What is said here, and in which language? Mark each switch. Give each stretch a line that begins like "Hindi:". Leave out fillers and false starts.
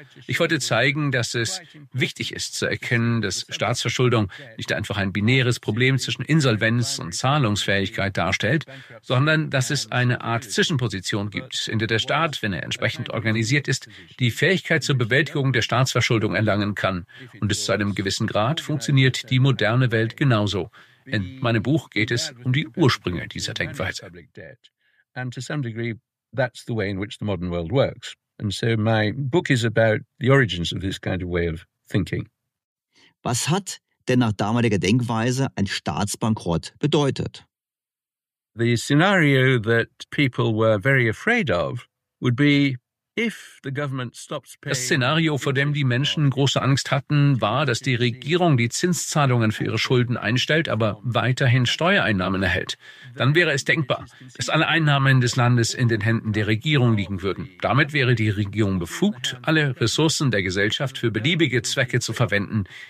German: Ich wollte zeigen, dass es wichtig ist zu erkennen, dass Staatsverschuldung nicht einfach ein binäres Problem zwischen Insolvenz und Zahlungsfähigkeit darstellt, sondern dass es eine Art Zwischenposition gibt, in der der Staat, wenn er entsprechend organisiert ist, die Fähigkeit zur Bewältigung der Staatsverschuldung erlangen kann. Und es zu einem gewissen Grad funktioniert die moderne Welt genauso. In meinem Buch geht es um die Ursprünge dieser Denkweise.
English: And to some degree, that's the way in which the modern world works. And so my book is about the origins of this kind of way of thinking.
German: Was hat denn nach damaliger Denkweise ein Staatsbankrott bedeutet?
English: The scenario that people were very afraid of would be
German: Das Szenario, vor dem die Menschen große Angst hatten, war, dass die Regierung die Zinszahlungen für ihre Schulden einstellt, aber weiterhin Steuereinnahmen erhält. Dann wäre es denkbar, dass alle Einnahmen des Landes in den Händen der Regierung liegen würden. Damit wäre die Regierung befugt, alle Ressourcen der Gesellschaft für beliebige Zwecke zu verwenden.